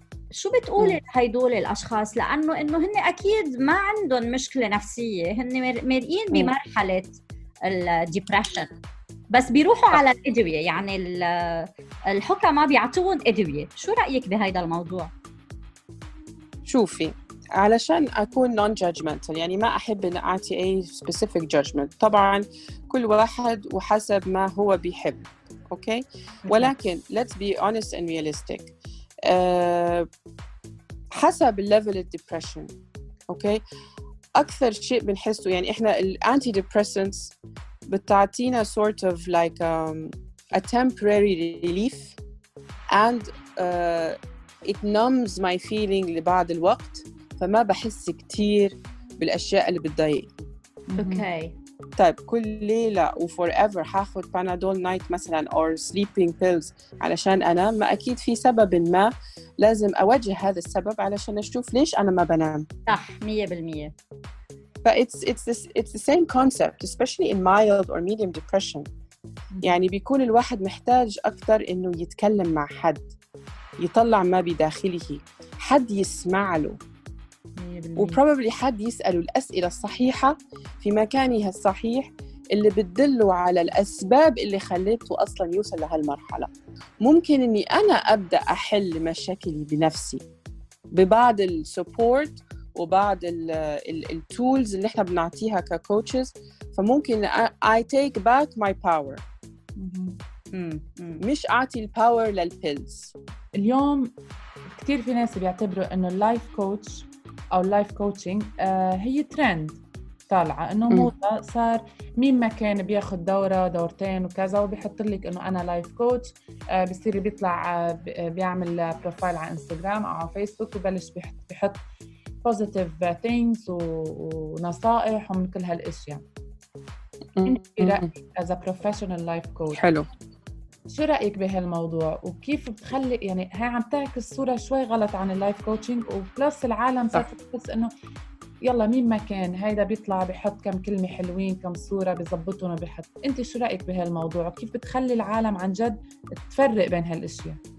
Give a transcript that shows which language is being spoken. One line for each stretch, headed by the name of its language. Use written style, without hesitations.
Arabic: شو بتقولي هيدول الأشخاص؟ لأنه إنه هن أكيد ما عندهم مشكلة نفسية, هن مرقين بمرحلة الديبرشن بس بيروحوا على الأدوية, يعني الحكمة بيعطون أدوية. شو رأيك بهيدا الموضوع؟ شوفي, علشان أكون non-judgmental يعني ما أحب أن أعطي أي
English: specific judgment,
Arabic: طبعاً كل واحد وحسب ما هو بيحب. أوكي؟ ولكن
English: let's be honest and realistic.
Arabic: حسب
English: level of depression.
Arabic: أوكي؟ أكثر شيء بنحسه يعني إحنا antidepressants بتعطينا
English: sort of like a temporary relief and it numbs my feeling
Arabic: لبعض الوقت, فما بحس كتير بالأشياء اللي بتضايق.
English: okay.
Arabic: طيب كل ليلة و forever هاخد panadol night مثلا
English: or sleeping pills
Arabic: علشان أنا ما, أكيد في سبب ما لازم أوجه هذا السبب علشان أشوف ليش أنا ما بنام. صح, 100%.
English: But it's the same concept, especially in mild or medium depression.
Arabic: يعني بيكون الواحد محتاج أكتر إنه يتكلم مع حد, يطلع ما بداخله, حد يسمع له, وprobably حد يسأله الأسئلة الصحيحة في مكانها الصحيح اللي بتدله على الأسباب اللي خليته أصلاً يوصل لهالمرحلة. ممكن إني أنا أبدأ أحل مشاكلي بنفسي ببعض السupport وبعض الـ tools اللي احنا بنعطيها ككوتشز, فممكن
English: I take back my power.
Arabic: مش أعطي الباور للpills. اليوم كتير في ناس بيعتبروا انه اللايف كوتش او اللايف كوتشنج هي ترند طالعة, انه موضة, صار مين ما كان بياخد دورة دورتين وكذا وبيحط لك انه انا لايف كوتش, بيصير بيطلع بيعمل بروفايل على انستغرام او على فيسبوك وبلش بيحط
English: positive things
Arabic: ونصائح ومن كل هالأشياء. انت رأيك
English: as a professional life coach,
Arabic: حلو, شو رأيك بهالموضوع وكيف بتخلي, يعني هاي عم تعكس الصورة شوي غلط عن life coaching وبلس العالم بس انه يلا مين ما كان هيدا بيطلع بيحط كم كلمة حلوين كم صورة بيزبطون وبيحط. انت شو رأيك بهالموضوع وكيف بتخلي العالم عن جد تفرق بين هالأشياء؟